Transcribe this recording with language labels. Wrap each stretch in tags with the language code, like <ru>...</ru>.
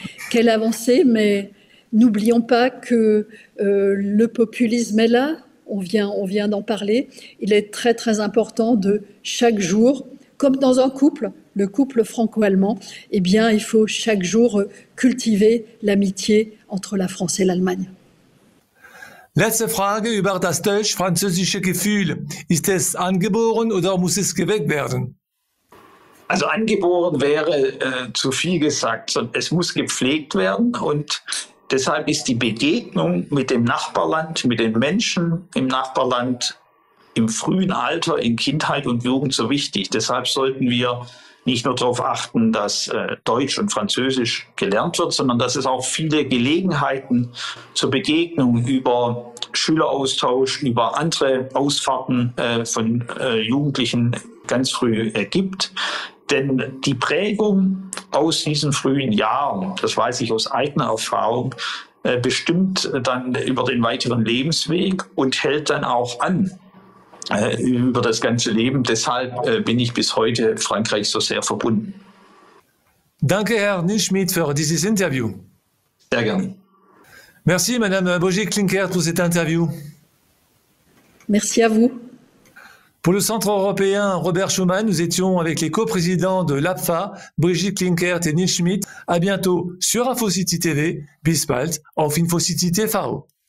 <fr>Quelle avancée, mais n'oublions pas que le populisme est là. On vient d'en parler. Il est très, très important de chaque jour, comme dans un couple, le couple franco-allemand, eh bien, il faut chaque jour cultiver l'amitié entre la France et l'Allemagne.</fr> <de>Letzte Frage über das deutsch-französische Gefühl. Ist es angeboren oder muss es geweckt werden? Also angeboren wäre zu viel gesagt. Es muss gepflegt werden und deshalb ist die Begegnung mit dem Nachbarland, mit den Menschen im Nachbarland im frühen Alter, in Kindheit und Jugend so wichtig. Deshalb sollten wir nicht nur darauf achten, dass Deutsch und Französisch gelernt wird, sondern dass es auch viele Gelegenheiten zur Begegnung über Schüleraustausch, über andere Ausfahrten von Jugendlichen ganz früh gibt. Denn die Prägung aus diesen frühen Jahren, das weiß ich aus eigener Erfahrung, bestimmt dann über den weiteren Lebensweg und hält dann auch an über das ganze Leben. Deshalb bin ich bis heute Frankreich so sehr verbunden. Danke, Herr Nischmidt, für dieses Interview. Sehr gerne.</de> <fr>Merci, Madame Bogé-Klinkert, pour cette interview. Merci à vous. Pour le Centre européen Robert Schumann, nous étions avec les coprésidents de l'APFA, Brigitte Klinkert et Nils Schmidt. À bientôt sur InfoCity TV,</fr> <de>bis bald auf InfoCity TV.</de>